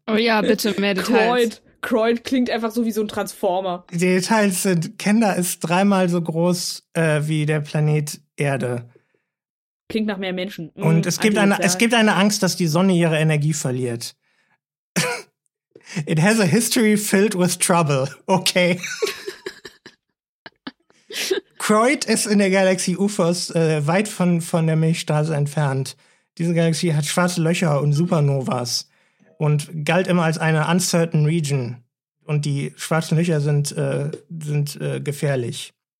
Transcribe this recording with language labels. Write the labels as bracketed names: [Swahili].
[German] Oh ja, bitte mehr Details. Kroid klingt einfach so wie so ein Transformer. Die Details sind, Kenda ist 3-mal so groß wie der Planet Erde. Klingt nach mehr Menschen. Und es gibt eine Angst, dass die Sonne ihre Energie verliert. [English] It has a history filled with trouble. Okay. [German] Kroid ist in der Galaxie Ufos weit von der Milchstraße entfernt. diese Galaxie hat schwarze Löcher und Supernovas und galt immer als eine [English] uncertain region. [German] Und die schwarzen Löcher sind gefährlich.